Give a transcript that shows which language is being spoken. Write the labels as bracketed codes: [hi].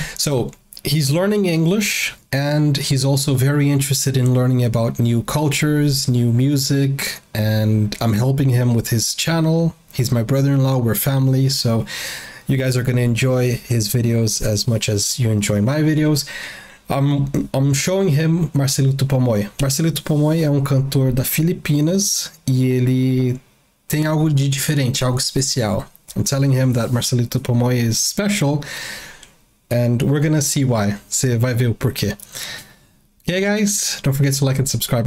[en] So he's learning English, and he's also very interested in learning about new cultures, new music, and I'm helping him with his channel. He's my brother-in-law, we're family, so you guys are going to enjoy his videos as much as you enjoy my videos. I'm showing him Marcelito Pomoy. [pt] Marcelito Pomoy é cantor das Filipinas, e ele tem algo de diferente, algo especial. [en] I'm telling him that Marcelito Pomoy is special. And we're gonna see why. [pt] Você vai ver o porquê. [en] Okay, guys, don't forget to like and subscribe.